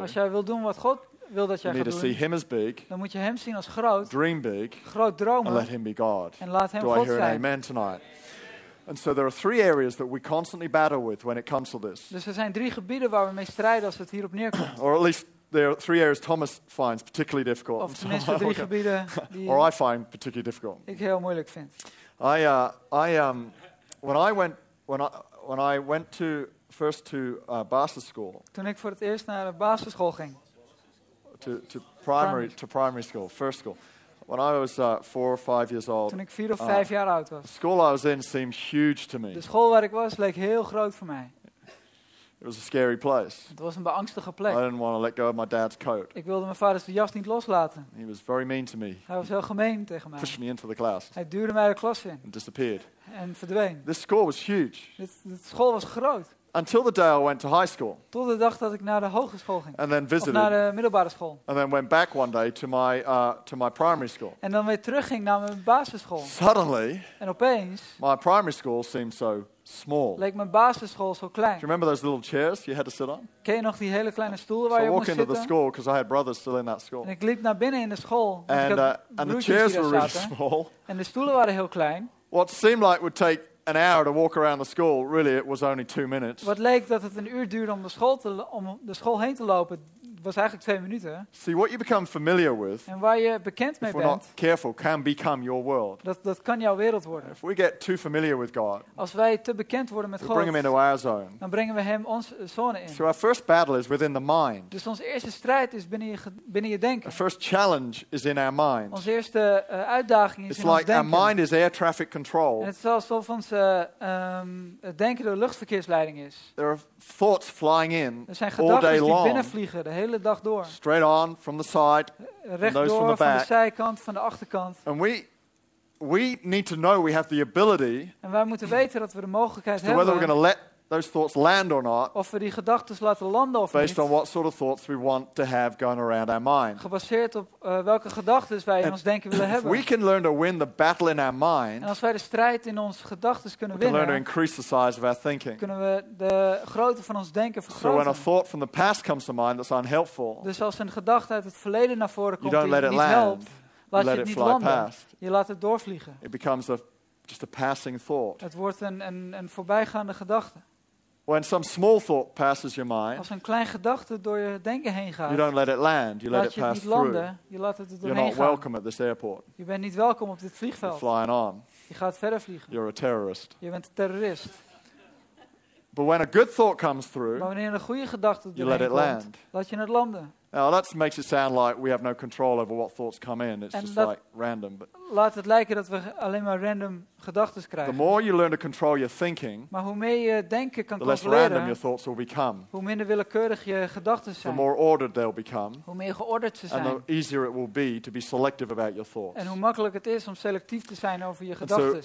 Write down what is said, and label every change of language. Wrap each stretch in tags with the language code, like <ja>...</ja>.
<nl>Als jij wil doen wat God wil dat jij</nl> <en>you</en> <nl>gaat doen.</nl> <en>See him as big,</en> <nl>dan moet je hem zien als groot.</nl> <en>Dream big.</en> <nl>Groot dromen.</nl> <en>And let him be God.</en> <nl>En laat hem</nl> <en>do</en> <nl>God</nl> <en>I hear</en> <nl>zijn.</nl> <en>An amen tonight? And so there are three areas that we constantly battle with when it comes to this.</en> <nl>Dus er zijn drie gebieden waar we mee strijden als het hier op neerkomt.</nl> <en>Or at least there are three areas Thomas finds particularly difficult.</en> <nl>Of tenminste drie gebieden die</nl> <en>or I find particularly difficult.</en> <nl>Ik heel moeilijk vind.</nl> <en>When I went first to basis school.</en> <nl>Toen ik voor het eerst naar de basisschool ging.</nl> <en>To primary school, first school. When I was 4 or 5 years old.</en> <nl>Toen ik 4 of 5 jaar oud was.</nl> <en>The school I was in seemed huge to me.</en> <nl>De school waar ik was leek heel groot voor mij.</nl> <en>It was a scary place.</en> <nl>Het was een beangstige plek.</nl> <en>I didn't want to let go of my dad's coat.</en> <nl>Ik wilde mijn vaders jas niet loslaten.</nl> <en>He was very mean to me.</en> <nl>Hij was heel gemeen tegen mij.</nl> <en>Pushed me into the class.</en> <nl>Hij duwde mij de klas in.</nl> <en>And disappeared.</en> <nl>En verdween.</nl> <en>This school was huge.</en> <nl>Dit school was groot.</nl> <en>Until the day I went to high school.</en> <nl>Tot de dag dat ik naar de hogeschool ging.</nl> <en>And then visited.</en> <nl>Of naar de middelbare school.</nl> <en>And then went back one day to my primary school.</en> <nl>En dan weer terugging naar mijn basisschool.</nl> <en>Suddenly.</en> <nl>En opeens.</nl> <en>My primary school seemed so small.</en> <nl>Leek mijn basisschool zo klein.</nl> <en>Do you remember those little chairs you had to sit on?</en> <nl>Ken je nog die hele kleine stoelen waar je op moest zitten?</nl> <en>So I walked into the school because I had brothers still in that school.</en> <nl>En ik liep naar binnen in de school.</nl> <en>And the chairs were really small.</en> <nl>En de stoelen waren heel klein.</nl> <en>What seemed like would take an hour to walk around the school, really it was only 2 minutes.</en> <nl>Wat leek dat het een uur duurde om de school heen te lopen, was eigenlijk 2 minuten.</nl> <en>See, what you become familiar with,</en> <nl>en waar je bekend mee</nl> <en>if we're</en> <nl>bent,</nl> <en>not careful, can become your world.</en> <nl>Dat kan jouw wereld worden.</nl> <en>If we get too familiar with God,</en> <nl>als wij te bekend worden met</nl> <en>God, bring him into our zone.</en> <nl>Dan brengen we hem ons zone in.</nl> <en>So our first battle is within the mind.</en> <nl>Dus onze eerste strijd is binnen je denken.</nl> <en>Our first challenge is in our mind.</en> <nl>Onze eerste uitdaging is</nl> <en>it's in like</en> <nl>ons denken.</nl> <en>Our mind is air traffic control.</en> <nl>En het is alsof ons denken door de luchtverkeersleiding is.</nl> <en>There are thoughts flying in</en> <nl>er zijn gedachten die binnenvliegen de hele dag door.</nl> <en>Straight on from the side,</en> <nl>rechtdoor</nl> <en>those from the back.</en> <nl>Van de zijkant, van de achterkant.</nl> <en>And we need to know we have the ability.</en> <nl>En wij moeten weten dat we de mogelijkheid hebben.</nl> <en>Whether we're going to let those thoughts land or not.</en> <nl>Of we die gedachten laten landen of</nl> <en>based</en> <nl>niet.</nl> <en>Based on what sort of thoughts we want to have going around our mind.</en> <nl>Gebaseerd op welke gedachten wij in ons denken willen hebben.</nl> <en>We can learn to win the battle in our mind.</en> <nl>En als wij de strijd in onze gedachten kunnen</nl> <en>we</en> <nl>winnen.</nl> <en>We can learn to increase the size of our thinking.</en> <nl>Kunnen we de grootte van ons denken vergroten.</nl> <en>So when a thought from the past comes to mind that's unhelpful.</en> <nl>Dus als een gedachte uit het verleden naar voren komt</nl> <en>you don't</en> <nl>die</nl> <en>let it land.</en> <nl>Helpt,</nl> <en>you let</en> <nl>je het</nl> <en>it</en> <nl>niet</nl> <en>fly</en> <nl>landen.</nl> <en>Past.</en> <nl>Je laat het doorvliegen.</nl> <en>It becomes just a passing thought.</en> <nl>Het wordt een voorbijgaande gedachte.</nl> <en>When some small thought passes your mind,</en> <nl>als een klein gedachte door je denken heen gaat,</nl> <en>you don't let it land, you let it pass through.</en> <nl>Je laat het er doorheen gaan.</nl> <en>You're not welcome at this airport.</en> <nl>Je bent niet welkom op dit vliegveld.</nl> <en>You're flying on.</en> <nl>Je gaat verder vliegen.</nl> <en>You're a terrorist.</en> <nl>Je bent een terrorist.</nl> <en>But when a good thought comes through,</en> <nl>maar wanneer een goede gedachte</nl> <en>you let it land.</en> <nl>Laat je het landen.</nl> <en>Now that makes it sound like we have no control over what thoughts come in. It's</en> <nl>en</nl> <en>just like random. But</en> <nl>laat het lijken dat we alleen maar random gedachten krijgen.</nl> <en>The more you learn to control your thinking,</en> <nl>maar hoe meer je denken kan</nl> <en>the less random your thoughts will become.</en> <nl>Hoe minder willekeurig je gedachten zijn.</nl> <en>The more ordered they'll become.</en> <nl>Hoe meer geordend ze zijn.</nl> <en>And the easier it will be to be selective about your thoughts.</en> <nl>En hoe makkelijk het is om selectief te zijn over je gedachten.</nl>